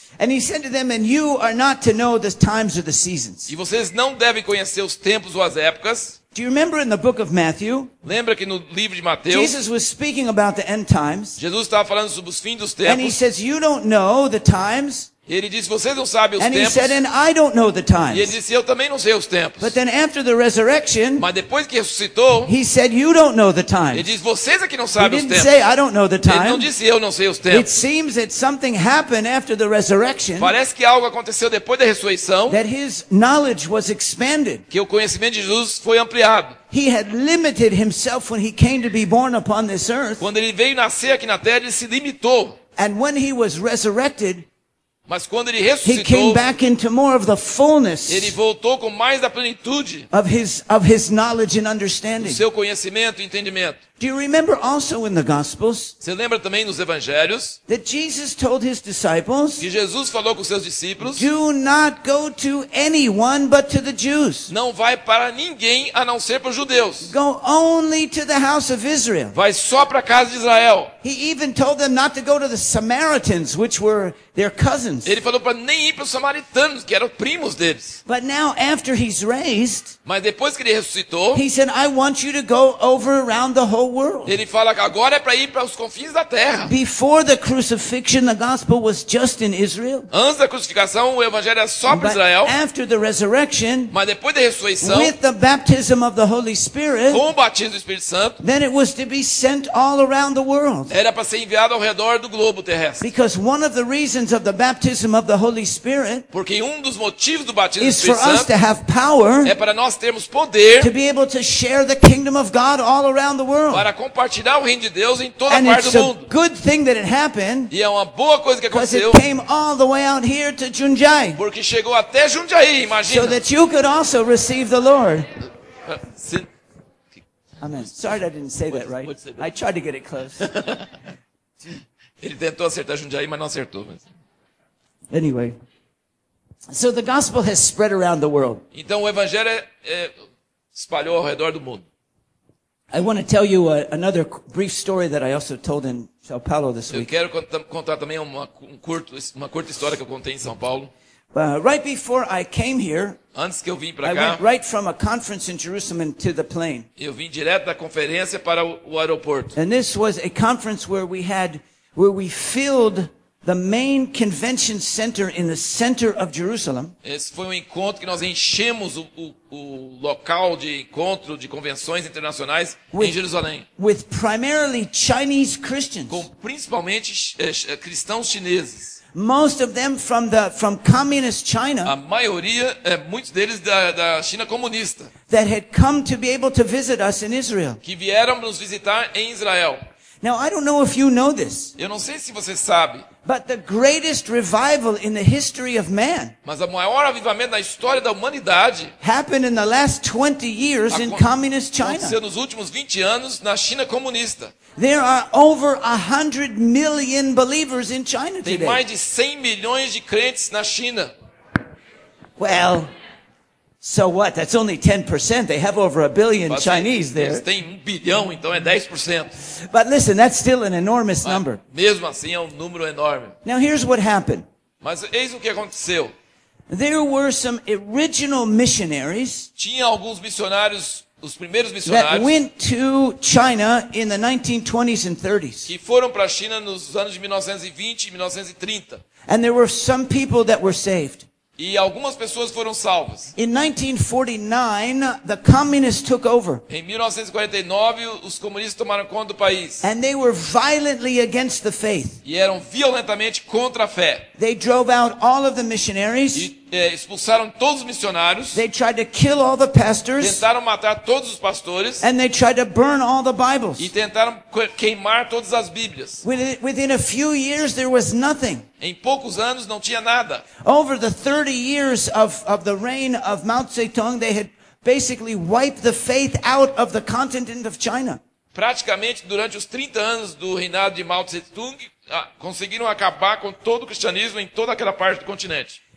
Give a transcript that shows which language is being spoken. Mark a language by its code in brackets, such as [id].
[en] And he said to them, and you are not to know the times or the seasons. [pt] E vocês não devem conhecer os tempos ou as épocas. [en] Do you remember in the book of Matthew? [pt] Lembra que no livro de Mateus? [en] Jesus was speaking about the end times. [pt] Jesus estava falando sobre os fins dos tempos. [en] And he says, you don't know the times. [pt] Ele disse, vocês não sabem os [en] and [pt] tempos. [en] Said, I don't know the times. [pt] E ele disse, eu também não sei os tempos. [en] But then after the resurrection, [pt] mas depois que ressuscitou, [en] he said, you don't know the times. [pt] Ele disse, vocês é que não sabem os tempos. [en] Say, I don't know the times. [pt] Ele não disse, eu não sei os tempos. [en] It seems that something happened after the resurrection, [pt] parece que algo aconteceu depois da ressurreição, [en] that his knowledge was expanded. [pt] Que o conhecimento de Jesus foi ampliado. [en] He had limited himself when he came to be born upon this earth. [pt] Quando ele veio nascer aqui na terra, ele se limitou. [en] And when he was resurrected, [pt] mas quando ele ressuscitou, [en] he came back into more of the fullness, [pt] ele voltou com mais da plenitude [en] of his knowledge and understanding. [pt] Do seu conhecimento e entendimento. [en] Do you remember also in the Gospels, [pt] você lembra também nos Evangelhos, [en] that Jesus told his disciples, [pt] que Jesus falou com seus discípulos, [en] do not go to anyone but to the Jews. [pt] Não vai para ninguém a não ser para os judeus. [en] Go only to the house of Israel. [pt] Vai só para a casa de Israel. [en] He even told them not to go to the Samaritans, which were their cousins. [pt] Ele falou para nem ir para os samaritanos, que eram primos deles. [en] But now, after he's raised, [pt] mas depois que ele ressuscitou, [en] he said, I want you to go over around the whole world. [pt] Ele fala que agora é para ir para os confins da terra. [en] Before the crucifixion, the gospel was just in Israel. [pt] Antes da crucificação, o evangelho era só para Israel. [en] But after the resurrection, [pt] mas depois da ressurreição, [en] with the baptism of the Holy Spirit, [pt] com o batismo do Espírito Santo, [en] then it was to be sent all around the world. [pt] Era para ser enviado ao redor do globo terrestre. [en] Because one of the reasons of the baptism of the Holy Spirit, [pt] porque um dos motivos do batismo do Espírito Santo, [en] is for us to have power, [pt] é para nós termos poder, [en] to be able to share the kingdom of God all around the world, [pt] para compartilhar o reino de Deus em toda [en] and [pt] parte do mundo. [en] And it's a good thing that it happened. [pt] E é uma boa coisa que aconteceu. [en] Because it came all the way out here to Jundiaí. [pt] Porque chegou até Jundiaí, imagina. [en] So that you could also receive the Lord. Amen. Sorry I didn't say that right. I tried to get it close. [pt] Ele tentou acertar Jundiaí, mas não acertou. Mas... [en] anyway. So the gospel has spread around the world. [pt] Então o evangelho espalhou ao redor do mundo. [en] I want to tell you another brief story that I also told in São Paulo this week. [pt] Eu quero contar também uma curta história que eu contei em São Paulo. [en] Right before I came here, [pt] antes que eu vim para cá, [en] I went right from a conference in Jerusalem to the plane. [pt] Eu vim direto da conferência para o aeroporto. [en] And this was a conference where we filled the main convention center in the center of Jerusalem. [pt] Esse foi um encontro que nós enchemos o local de encontro de convenções internacionais em Jerusalém. [en] With primarily Chinese Christians. [pt] Com principalmente cristãos chineses. [en] Most of them from communist China. [pt] A maioria, muitos deles da China comunista. [en] That had come to be able to visit us in Israel. [pt] Que vieram nos visitar em Israel. [en] Now, I don't know if you know this. [pt] Eu não sei se você sabe. [en] But the greatest revival in the history of man. [pt] Mas o maior avivamento na história da humanidade. [en] Happened in the last 20 years in communist China. [pt] Aconteceu nos últimos 20 anos na China comunista. [en] There are over 100 million believers in China today. [pt] Tem mais de 100 milhões de crentes na China. [en] Well, so what? That's only 10%. They have over a billion Chinese there. [pt] Eles têm 1 bilhão, então é 10%. [en] But listen, that's still an enormous number. [pt] Mesmo assim, é número enorme. [en] Now here's what happened. [pt] Mas eis o que aconteceu. [en] There were some original missionaries. [pt] Tinha alguns missionários, os primeiros missionários. [en] That went to China in the 1920s and 30s. [pt] Que foram para a China nos anos de 1920 e 1930. [en] And there were some people that were saved. [pt] E algumas pessoas foram salvas. [en] In 1949, the communists took over. [pt] Em 1949, os comunistas tomaram conta do país. [en] And they were violently against the faith. [pt] E eram violentamente contra a fé. [en] They drove out all of the missionaries. [pt] E expulsaram todos os missionários. [en] They tried to kill all the pastors. [pt] Tentaram matar todos os pastores. [en] And they tried to burn all the Bibles. [pt] E tentaram queimar todas as Bíblias. [en] Within a few years, there was nothing. [pt] Em poucos anos não tinha nada. [en] Over the 30 years of the reign of Mao Zedong, they had basically wiped the faith out of the continent of China. [pt] Praticamente durante os 30 anos do reinado de Mao Zedong, conseguiram acabar com todo o cristianismo em toda aquela parte do continente.